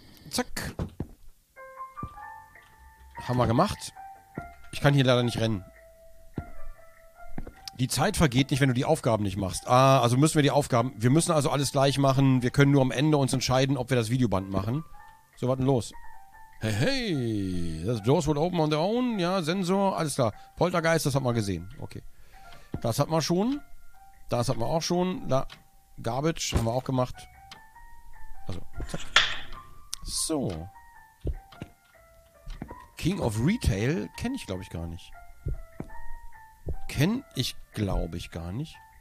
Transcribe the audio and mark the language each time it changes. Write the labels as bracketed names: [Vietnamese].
[German] Zack. Haben wir gemacht. Ich kann hier leider nicht rennen. Die Zeit vergeht nicht, wenn du die Aufgaben nicht machst. Ah, also müssen wir die Aufgaben... Wir müssen also alles gleich machen. Wir können nur am Ende uns entscheiden, ob wir das Videoband machen. So, was denn los? [English] Hey, hey, das Doors would open on their own. [German] Ja, Sensor, alles klar. Poltergeist, das hat man gesehen. Okay. Das hat man schon. Das hat man auch schon. Da, Garbage haben wir auch gemacht. Also, zack. So. King of Retail kenne ich, glaube ich, gar nicht. Kenne ich, glaube ich, gar nicht.